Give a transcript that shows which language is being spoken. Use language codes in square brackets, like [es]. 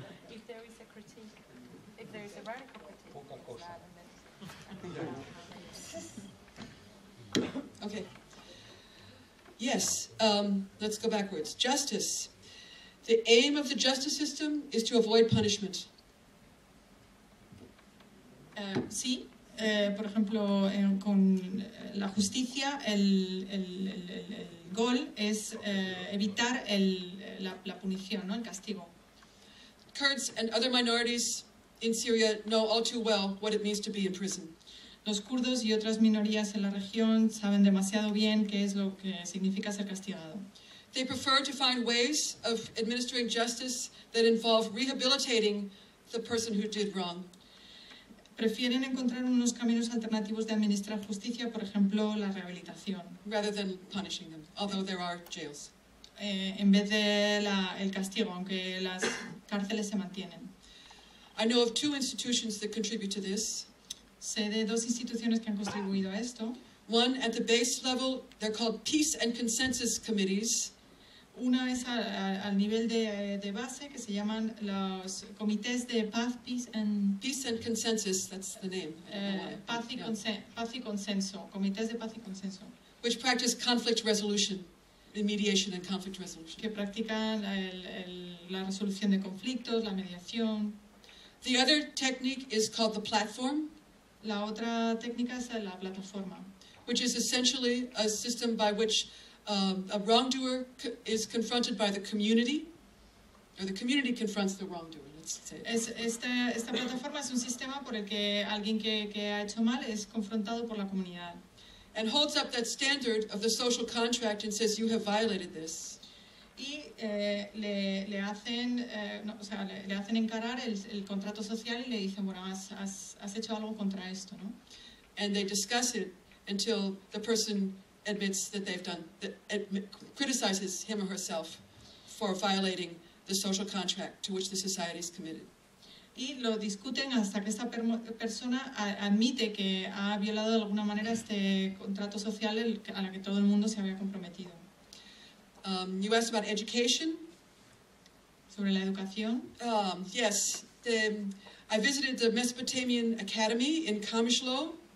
[en] If there is a critique, if there is a radical critique, it's rather than okay. Yes, let's go backwards. Justice. The aim of the justice system is to avoid punishment. [es] Sí, por ejemplo, con la justicia, el goal es evitar la punición, ¿no? El castigo. [en] Kurds and other minorities in Syria know all too well what it means to be in prison. [es] Los kurdos y otras minorías en la región saben demasiado bien qué es lo que significa ser castigado. [en] They prefer to find ways of administering justice that involve rehabilitating the person who did wrong. [es] Prefieren encontrar unos caminos alternativos de administrar justicia, por ejemplo, la rehabilitación. [en] Rather than punishing them, although there are jails. [es] En vez de el castigo, aunque las cárceles se mantienen. [en] I know of two institutions that contribute to this. [es] Sé de dos instituciones que han contribuido a esto. [en] One at the base level, they're called peace and consensus committees. [es] Una es al nivel de base que se llaman los comités de paz, [en] peace and consensus. That's the name. [es] Paz y consenso. Comités de paz y consenso. [en] Which practice conflict resolution, mediation and conflict resolution. [es] Que practican la resolución de conflictos, la mediación. [en] The other technique is called the platform. [es] La otra técnica es la plataforma. [en] Which is essentially a system by which a wrongdoer is confronted by the community, or the community confronts the wrongdoer, let's say. [es] Esta plataforma es un sistema por el que alguien que ha hecho mal es confrontado por la comunidad. [en] And holds up that standard of the social contract and says, you have violated this. [es] Y le hacen encarar el contrato social y le dicen, bueno, has hecho algo contra esto, ¿no? [en] And they discuss it. Until the person admits that they've done, criticizes him or herself for violating the social contract to which the society is committed. [es] Y lo discuten hasta que esta persona admite que ha violado de alguna manera este contrato social a la que todo el mundo se había comprometido. [en] You asked about education. [es] Sobre la educación. [en] Yes, I visited the Mesopotamian Academy in Qamishlo.